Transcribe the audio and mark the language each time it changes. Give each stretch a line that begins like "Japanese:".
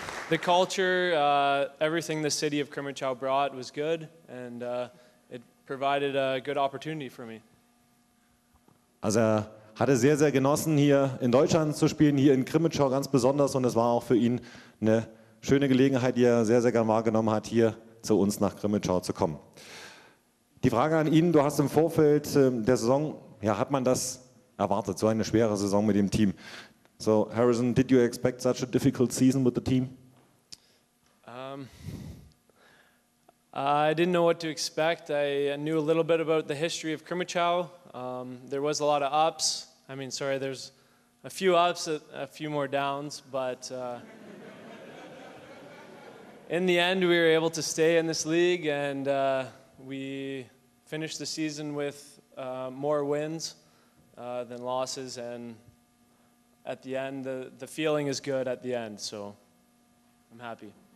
English: The culture, everything the city of Krimmetschau brought was good, and it provided a good opportunity for me.
German: Also er hatte sehr, sehr genossen, hier in Deutschland zu spielen, hier in Krimmetschau ganz besonders, und es war auch für ihn eine schöne Gelegenheit, die er sehr, sehr gern wahrgenommen hat, hier zu uns nach Krimmetschau zu kommen. Die Frage an ihn, du hast im Vorfeld der Saison, ja, hat man das erwartet, so eine schwere Saison mit dem Team.
English: So, Harrison, did you expect such a difficult season with the team? I didn't know what to expect. I knew a little bit about the history of Krimmetschau. There was a lot of ups. I mean, sorry, there's a few ups, a few more downs, but in the end, we were able to stay in this league, and we finished the season with more wins than losses, and at the end, the feeling is good at the end, so I'm happy.